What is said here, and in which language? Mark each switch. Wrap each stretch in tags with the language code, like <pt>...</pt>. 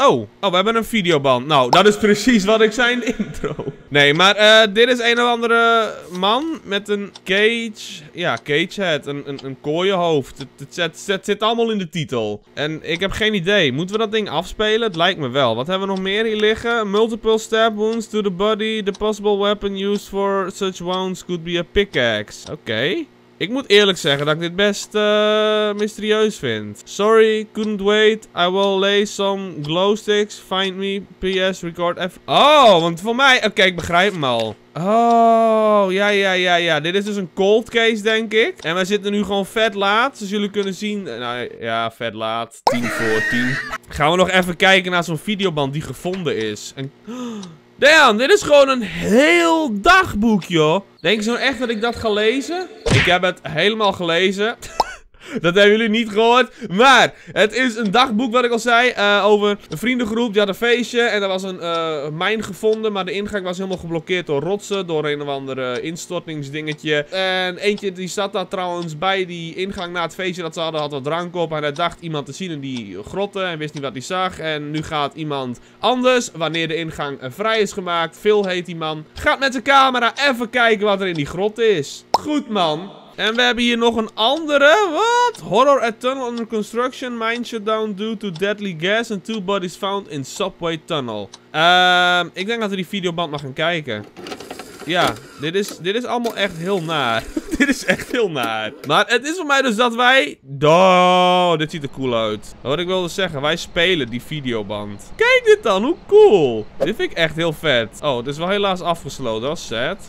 <nl>Oh, we hebben een videoband. Nou, dat is precies wat ik zei in de intro. Nee, maar dit is een of andere man met een cage... Ja, Cagehead. Een kooienhoofd. Het zit allemaal in de titel. En ik heb geen idee. Moeten we dat ding afspelen? Het lijkt me wel. Wat hebben we nog meer hier liggen?</nl> <en>Multiple stab wounds to the body. The possible weapon used for such wounds could be a pickaxe. Okay.</en> <nl>Ik moet eerlijk zeggen dat ik dit best mysterieus vind.</nl> <en>Sorry, couldn't wait. I will lay some glow sticks. Find me. PS, record every...</en> <nl>Oh, want voor mij... Oké, ik begrijp hem al. Oh, ja. Dit is dus een cold case, denk ik. En wij zitten nu gewoon vet laat. Zoals jullie kunnen zien... Nou, ja, vet laat. 10 voor 10. Gaan we nog even kijken naar zo'n videoband die gevonden is. En... Damn, dit is gewoon een heel dagboek, joh. Denk je nou echt dat ik dat ga lezen? Ik heb het helemaal gelezen. Dat hebben jullie niet gehoord. Maar het is een dagboek wat ik al zei. Over een vriendengroep. Die had een feestje. En er was een mijn gevonden. Maar de ingang was helemaal geblokkeerd door rotsen. Door een of andere instortingsdingetje. En eentje die zat daar trouwens bij die ingang na het feestje dat ze hadden. Had wat drank op. En hij dacht iemand te zien in die grotten. En wist niet wat hij zag. En nu gaat iemand anders. Wanneer de ingang vrij is gemaakt. Phil heet die man. Gaat met zijn camera even kijken wat er in die grot is. Goed man. En we hebben hier nog een andere, wat?</nl> <en>Horror at tunnel under construction, mine shutdown due to deadly gas and 2 bodies found in subway tunnel.</en> <nl>Ik denk dat we die videoband maar gaan kijken. Ja, dit is allemaal echt heel naar. Dit is echt heel naar. Maar het is voor mij dus dat wij... Oh, dit ziet er cool uit. Wat ik wilde zeggen, wij spelen die videoband. Kijk dit dan, hoe cool. Dit vind ik echt heel vet. Oh, het is wel helaas afgesloten, dat is sad.</nl>